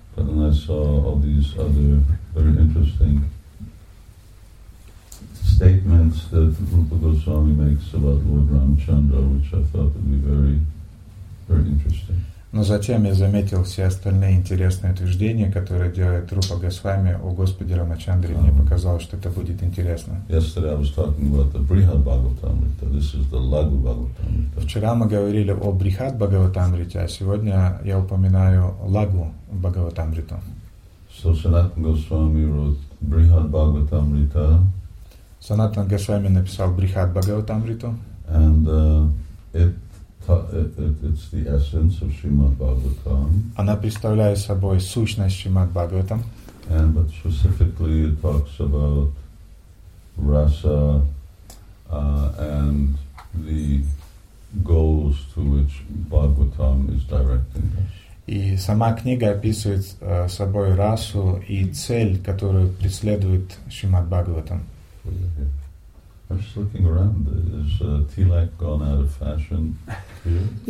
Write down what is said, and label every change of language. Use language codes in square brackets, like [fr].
[en] But then I saw all these other very interesting statements that Rupa Goswami makes about Lord Ramchandra, which I thought would be very, very interesting. [ru] Но затем я заметил все остальные интересные утверждения, которые делает Рупа Госвами о Господе Рамачандре, мне показалось, что это будет интересно. [en] Yesterday I was talking about the Brihad Bhagavatamrita. This is the Lagu Bhagavatamrita. [ru] Вчера мы говорили о Брихад Бхагаватамрите, а сегодня я упоминаю Лагу Бхагаватамриту. [en] So Sanatan Goswami wrote Brihad Bhagavatamrita. [ru] Sanatan Goswami написал Брихад Бхагавадамриту. [en] And it's the essence of Srimad Bhagavatam. [ru] Она представляет собой сущность Шримад Бхагаватам. [en] And but specifically it talks about rasa and the goals to which Bhagavatam is directing us. [ru] И сама книга описывает собой расу и цель, которую преследует Шримад Бхагаватам. [en] I was just looking around. Is Tilak gone out of fashion here?